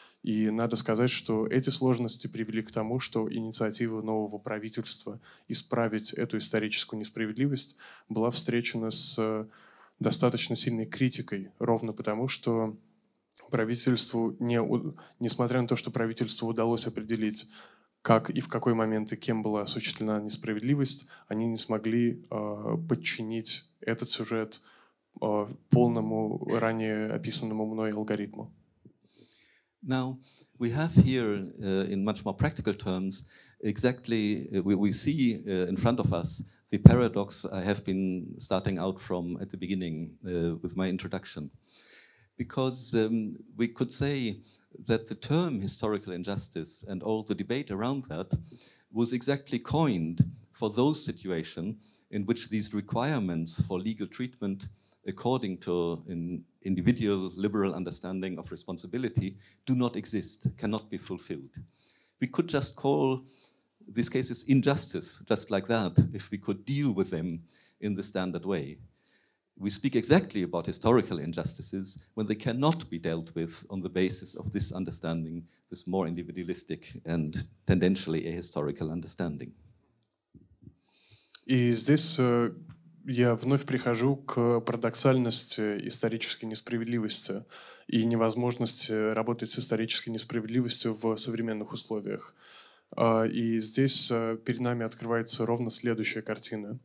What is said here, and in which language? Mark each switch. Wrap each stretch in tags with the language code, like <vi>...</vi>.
<ru>И надо сказать, что эти сложности привели к тому, что инициатива нового правительства исправить эту историческую несправедливость была встречена с достаточно сильной критикой, ровно потому, что правительству, несмотря на то, что правительству удалось определить, как и в какой момент и кем была осуществлена несправедливость, они не смогли подчинить этот сюжет полному ранее описанному мной алгоритму.</ru> <en>Now, we have here, in much more practical terms, exactly, we see in front of us the paradox I have been starting out from at the beginning with my introduction. Because we could say that the term historical injustice and all the debate around that was exactly coined for those situations in which these requirements for legal treatment according to an individual liberal understanding of responsibility, do not exist, cannot be fulfilled. We could just call these cases injustice, just like that, if we could deal with them in the standard way. We speak exactly about historical injustices when they cannot be dealt with on the basis of this understanding, this more individualistic and tendentially ahistorical understanding. Is this...</en> <ru>Я вновь прихожу к парадоксальности исторической несправедливости и невозможности работать с исторической несправедливостью в современных условиях. И здесь перед нами открывается ровно следующая картина.</ru>